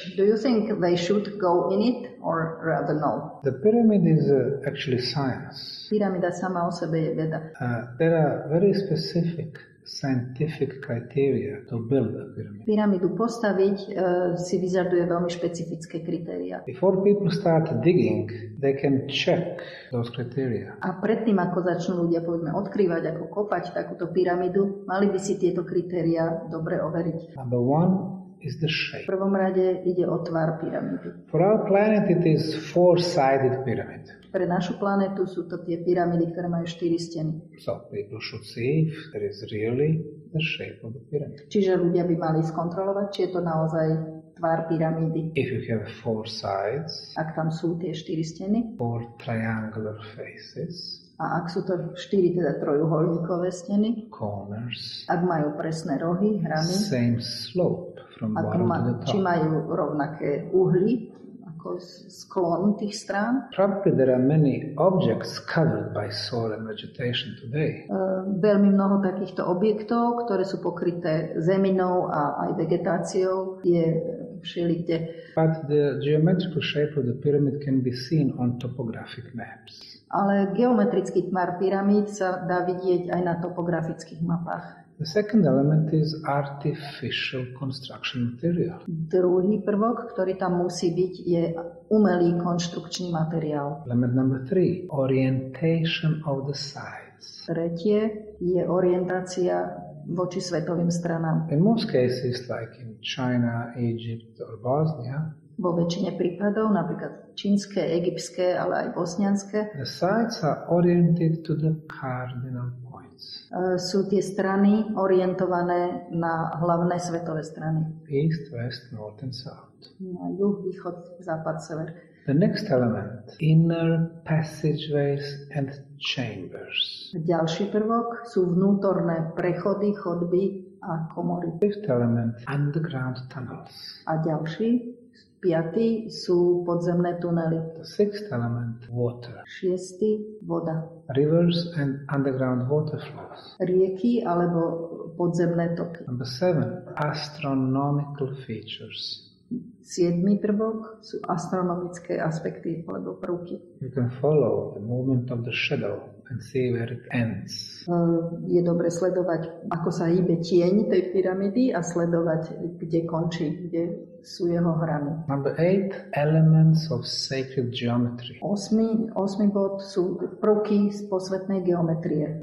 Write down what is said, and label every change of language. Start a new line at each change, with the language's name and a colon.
English: Do you think they should go in it or rather no? The pyramid is actually science.
Slovak: Pyramida sama o sebe je veda.
English: There are very specific scientific criteria to build a pyramid.
Slovak: Pyramidu postaviť si vyžaduje veľmi špecifické kritéria.
English: Before people start digging, they can check those criteria.
Slovak: A predtým, ako začnú ľudia, povedme, odkrývať, ako kopať takúto pyramidu, mali by si tieto kritéria dobre overiť.
English: Number one is the shape.
Slovak: V prvom rade ide o tvar pyramidy.
English: For our planet it is four-sided pyramid.
Slovak: Pre našu planetu sú to tie pyramidy, ktoré majú štyri steny.
English: So people should see if there is really the shape of the pyramid.
Slovak: Čiže ľudia by mali skontrolovať, či je to naozaj tvar pyramidy.
English: If you have four sides.
Slovak: Ak tam sú tie štyri steny.
English: Four triangular faces.
Slovak: A ak sú to štyri teda trojuholníkové steny.
English: Corners.
Slovak: Ak majú presné rohy, hrany.
English: Same slope from bottom to the top.
Slovak: Či majú rovnaké uhly ako sklon tých strán.
English: Probably there are many objects covered by soil and vegetation today.
Slovak: Veľmi mnoho takýchto objektov, ktoré sú pokryté zeminou a aj vegetáciou, je všelikde.
English: But the geometrical shape of the pyramid can be seen on topographic maps.
Slovak: Ale geometrický tvar pyramíd sa dá vidieť aj na topografických mapách.
English: The second element is artificial construction material.
Slovak: Druhý prvok, ktorý tam musí byť, je umelý konštrukčný materiál.
English: Element number three, orientation of the sides.
Slovak: Tretie je orientácia voči svetovým stranám.
English: In most cases, like in China, Egypt or Bosnia,
Slovak: vo väčšine prípadov, napríklad čínske, egyptské, ale aj bosnianske,
English: the sides are oriented to the cardinal points.
Slovak: Sú tie strany orientované na hlavné svetové strany.
English: East, west, north and south.
Slovak: Na juh, východ, západ, sever.
English: The next element, inner passageways and chambers.
Slovak: Ďalší prvok sú vnútorné prechody, chodby a komory.
English: Fifth element, underground tunnels.
Slovak: A ďalší, piatý sú podzemné tunely.
English: The sixth element, water.
Slovak: Šiestý, voda.
English: Rivers and underground water flows.
Slovak: Rieky alebo podzemné toky.
English: Number seven, astronomical features.
Slovak: Siedmy prvok sú astronomické aspekty alebo prvky.
English: You can follow the movement of the shadow and see where it ends.
Slovak: Je dobre sledovať, ako sa hýbe tieň tej pyramidy a sledovať, kde končí, kde sú jeho hrany.
English: Number eight, elements of sacred geometry.
Slovak: Osmy bod sú prvky z posvetnej geometrie.